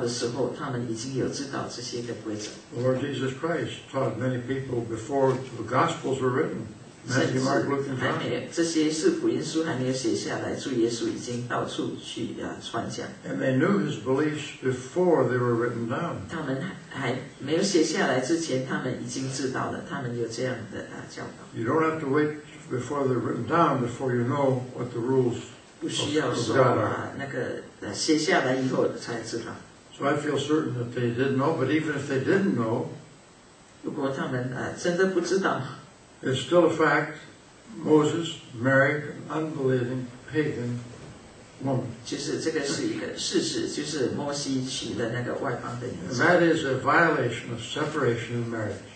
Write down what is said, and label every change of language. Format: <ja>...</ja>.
<zh>因为当那个使徒到处去传福音、讲道的时候，他们已经有知道这些的规则。</zh> <en>Lord Jesus Christ taught many people before the Gospels were written. Matthew, Mark, Luke, and John.</en> <zh>这些是福音书还没有写下来，主耶稣已经到处去传讲。</zh> <en>And they knew his beliefs before they were written down.</en> <zh>他们还没有写下来之前，他们已经知道了，他们有这样的教导。</zh> <en>You don't have to wait before they're written down before you know what the rules of God are.</en> <zh>不需要说那个写下来以后才知道。</zh> <en>So I feel certain that they didn't know, but even if they didn't know,</en> <zh>如果他们真的不知道。</zh> <en>It's still a fact, Moses married an unbelieving pagan woman. And that is a violation of separation in marriage.</en>